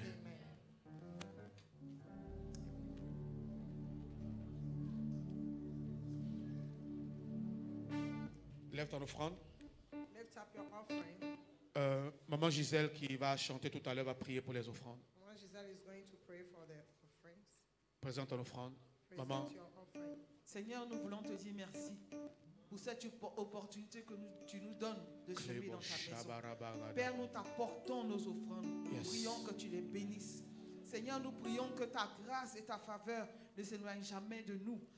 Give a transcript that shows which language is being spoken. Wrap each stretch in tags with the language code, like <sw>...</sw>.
<en>Jesus.</en> <fr>Lève ton offrande.</fr> <en>Lift up your offering.</en> <fr>Maman Gisèle qui va chanter tout à l'heure va prier pour les offrandes.</fr> <en>Maman Gisèle is going to pray for the offerings.</en> <fr>Présente ton offrande.</fr> <en>Present</en> <fr>maman. Seigneur, nous voulons te dire merci pour cette opportunité que tu nous donnes de servir dans ta maison. Père, nous t'apportons nos offrandes.</fr> <en>Yes.</en> <fr>Nous prions que tu les bénisses. Seigneur, nous prions que ta grâce et ta faveur ne s'éloignent jamais de nous.</fr>